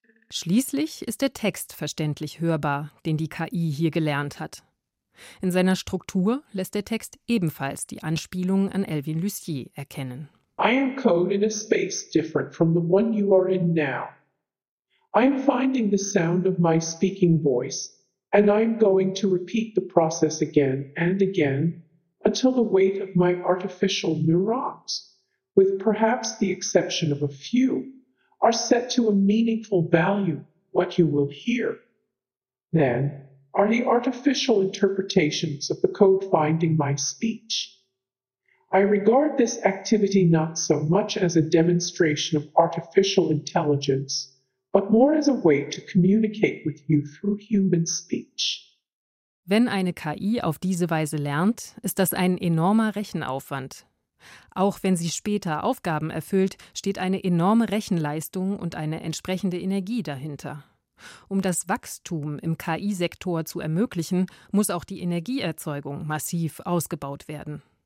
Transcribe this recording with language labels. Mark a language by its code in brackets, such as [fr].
[de] Schließlich ist der Text verständlich hörbar, den die KI hier gelernt hat. In seiner Struktur lässt der Text ebenfalls die Anspielung an Elvin Lucier erkennen. [en] I am code in a space different from the one you are in now. I am finding the sound of my speaking voice and I am going to repeat the process again and again until the weight of my artificial neurons, with perhaps the exception of a few, are set to a meaningful value, what you will hear. Then, are the artificial interpretations of the code finding my speech? I regard this activity not so much as a demonstration of artificial intelligence, but more as a way to communicate with you through human speech. [de] Wenn eine KI auf diese Weise lernt, ist das ein enormer Rechenaufwand. Auch wenn sie später Aufgaben erfüllt, steht eine enorme Rechenleistung und eine entsprechende Energie dahinter. Um das Wachstum im KI-Sektor zu ermöglichen, muss auch die Energieerzeugung massiv ausgebaut werden.